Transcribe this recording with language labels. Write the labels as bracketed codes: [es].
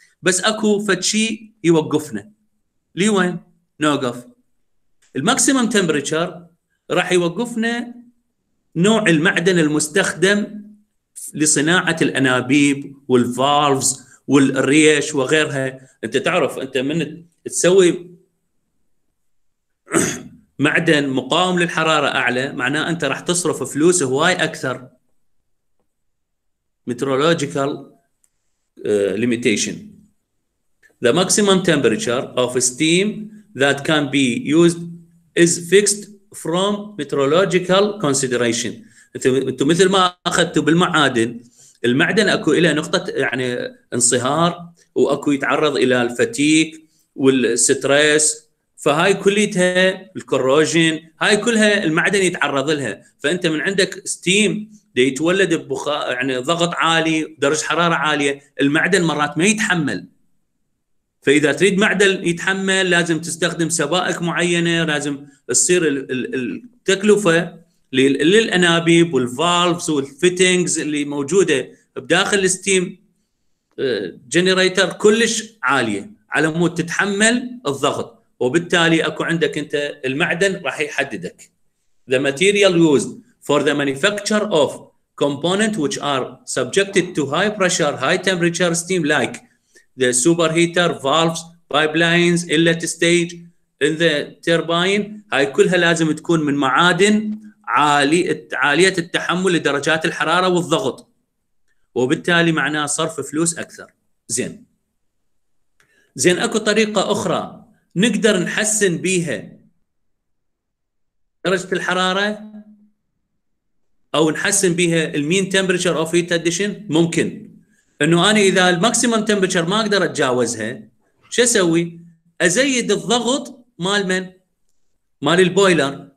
[ar] بس اكو فتشي يوقفنا لوين؟ نوقف الماكسيمم تمبريتشر راح يوقفنا نوع المعدن المستخدم لصناعه الانابيب والفالفز والريش وغيرها. انت تعرف انت من تسوي معدن مقاوم للحراره اعلى، معناه انت راح تصرف فلوس هواي اكثر، مترولوجيكال ليميتيشن. [en] The maximum temperature of steam that can be used is fixed from meteorological consideration. [ar] انتم مثل ما اخذتوا بالمعادن، المعدن اكو الى نقطه يعني انصهار، واكو يتعرض الى الفتيك والستريس، فهاي كليتها الكوروجين، هاي كلها المعدن يتعرض لها. فانت من عندك ستيم دي يتولد ببخار يعني ضغط عالي، درجه حراره عاليه، المعدن مرات ما يتحمل. فاذا تريد معدن يتحمل لازم تستخدم سبائك معينه، لازم تصير التكلفه للانابيب والفالفز والفيتنجز اللي موجوده بداخل الستيم جنريتر كلش عاليه على مود تتحمل الضغط، وبالتالي اكو عندك انت المعدن راح يحددك. [en] The material used for the manufacture of component which are subjected to high pressure, high temperature steam like the superheater, valves, pipelines, inlet stage in the turbine، [ar] هاي كلها لازم تكون من معادن عالية التحمل لدرجات الحرارة والضغط، وبالتالي معناه صرف فلوس أكثر. زين أكو طريقة أخرى نقدر نحسن بيها درجة الحرارة أو نحسن بيها المين تمبرتشر أو هيت أديشن؟ ممكن انه انا اذا الماكسيمم تمبرتشر ما اقدر اتجاوزها، شو اسوي؟ ازيد الضغط مال من؟ مال البويلر.